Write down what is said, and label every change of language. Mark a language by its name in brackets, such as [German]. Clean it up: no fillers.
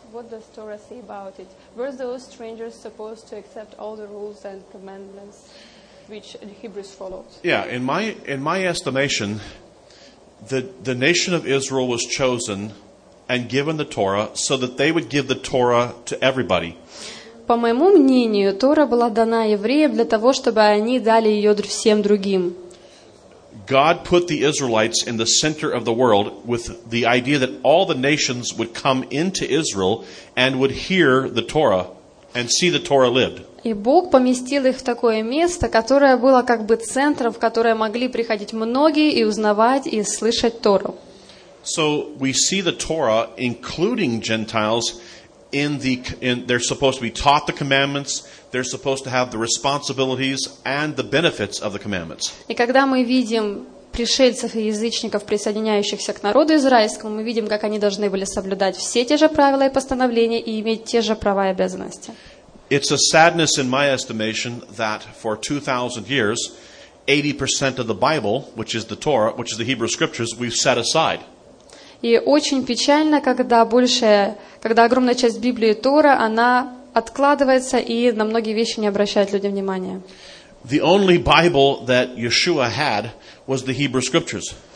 [English] What does Torah say about it? Were those strangers supposed to accept all the rules and commandments which the Hebrews followed? Yeah, in my estimation, the nation of Israel was chosen and given the Torah so that they would give the Torah to everybody. [Russian] По моему мнению, Тора была дана евреям для того, чтобы они дали ее всем другим. [English] God put the Israelites in the center of the world with the idea that all the nations would come into Israel and would hear the Torah and see the Torah lived. [Russian] И Бог поместил их в такое место, которое было как бы центром, в которое могли приходить многие и узнавать и слышать Тору. [English] So we see the Torah, including Gentiles, they're supposed to be taught the commandments, they're supposed to have the responsibilities and the benefits of the commandments. [Russian] И когда мы видим пришельцев и язычников, присоединяющихся к народу израильскому, мы видим, как они должны были соблюдать все те же правила и постановления и иметь те же права и обязанности. [English] It's a sadness in my estimation that for 2,000 years, 80% of the Bible, which is the Torah, which is the Hebrew Scriptures, we've set aside. [Russian] И очень печально, когда огромная часть Библии Тора, она откладывается и на многие вещи не обращают люди внимания. [English] The only Bible that Yeshua had was the Hebrew Scriptures.